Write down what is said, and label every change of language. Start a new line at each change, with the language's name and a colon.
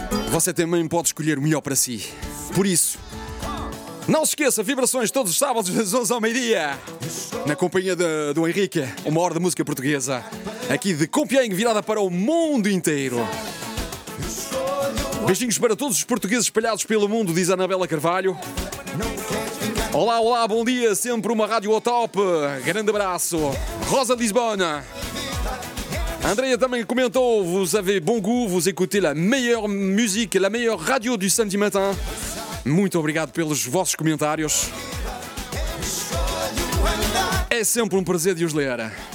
Portuguese: Você também pode escolher o melhor para si. Por isso, não se esqueça, Vibrações todos os sábados das 11 ao meio-dia, na companhia do Henrique, uma hora de música portuguesa, aqui de Compiègne, virada para o mundo inteiro. Beijinhos para todos os portugueses espalhados pelo mundo, diz Anabela Carvalho. Olá, olá, bom dia, sempre uma rádio ao top. Grande abraço. Rosa de Lisbona. Andrea também comentou,
French: vous avez bon goût, vous écoutez la meilleure musique, la meilleure radio du samedi matin.
Portuguese: Muito obrigado pelos vossos comentários. É sempre um prazer de os ler.